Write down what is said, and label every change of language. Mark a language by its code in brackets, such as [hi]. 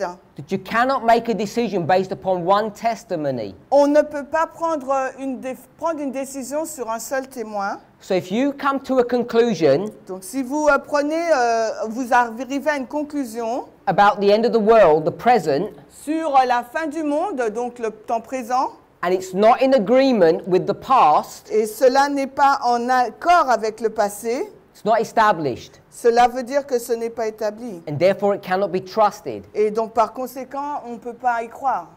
[en] that you cannot make a decision based upon one testimony. [fr] On ne peut pas prendre une décision sur un seul témoin. [en] So if you come to a conclusion, [fr] donc si vous prenez, vous arrivez à une conclusion, [en] about the end of the world, the present, [fr] sur la fin du monde, donc le temps présent, [en] and it's not in agreement with the past, [fr] et cela n'est pas en accord avec le passé, [en] it's not established, [fr] cela veut dire que ce n'est pas établi, [en] and therefore it cannot be trusted, [fr] et donc par conséquent on peut pas y croire.